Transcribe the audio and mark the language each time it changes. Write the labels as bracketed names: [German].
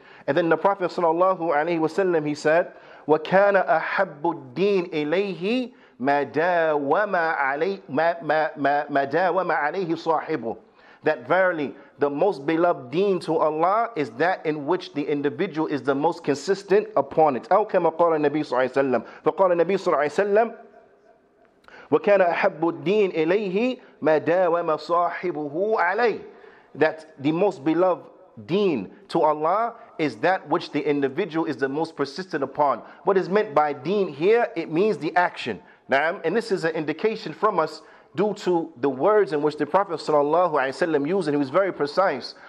[English] And then the Prophet sallallahu alaihi wasallam, he said, [Arabic] وَكَانَ أَحَبُّ الدِّينِ إِلَيْهِ مَا دَاوَمَ عَلَيْهِ صَاحِبُ. [English] That verily, the most beloved deen to Allah is that in which the individual is the most consistent upon it. [Arabic] أو كما قال النبي صلى الله عليه وسلم. فقال النبي صلى الله عليه وسلم, وَكَانَ أَحَبُّ الدِّينِ إِلَيْهِ مَا دَاوَمَ صَاحِبُهُ عَلَيْهِ. [English] That the most beloved deen to Allah is that which the individual is the most persistent upon. What is meant by deen here? It means the action. Na'am. And this is an indication from us due to the words in which the Prophet sallallahu alaihi wasallam used, and he was very precise.